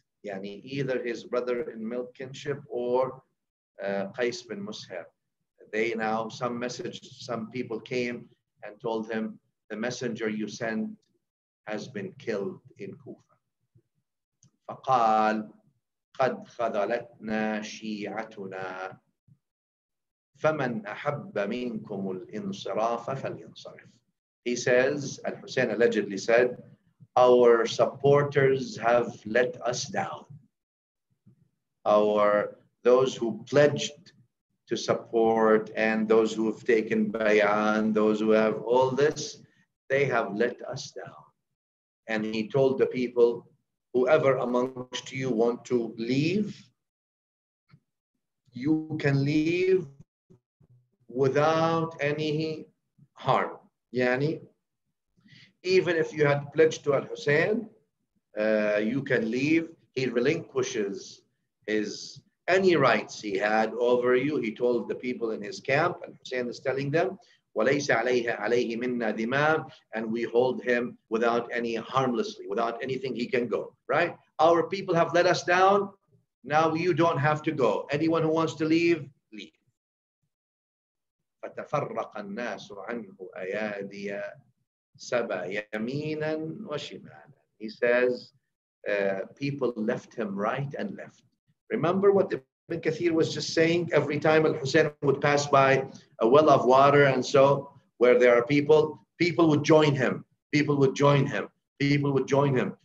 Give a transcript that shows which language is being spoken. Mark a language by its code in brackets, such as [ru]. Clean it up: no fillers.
[en] Yani either his brother in male kinship or Qais bin Mus'hir. They now, some message, some people came and told him, the messenger you sent has been killed in Kufa. [ar] فقال قد خذلتنا شيعتنا فمن أحب منكم الانصراف فلينصرف. [en] He says, Al-Hussein allegedly said, our supporters have let us down. Our, those who pledged to support and those who have taken bay'ah, those who have all this, they have let us down. And he told the people, whoever amongst you want to leave, you can leave without any harm. Yani, even if you had pledged to Al-Hussein, you can leave. He relinquishes his any rights he had over you. He told the people in his camp, Al-Hussein is telling them, [ar] وليس عليه عليه منا ذمام, [en] and we hold him without any harmlessly, without anything he can go, right? Our people have let us down. Now you don't have to go. Anyone who wants to leave, leave. [ar] فتفرق الناس عنه أيادي سبا يمينا وشمالا. [en] He says, people left him right and left. Remember what Ibn Kathir was just saying? Every time Al-Husayn would pass by a well of water, and so where there are people, people would join him. People would join him. People would join him.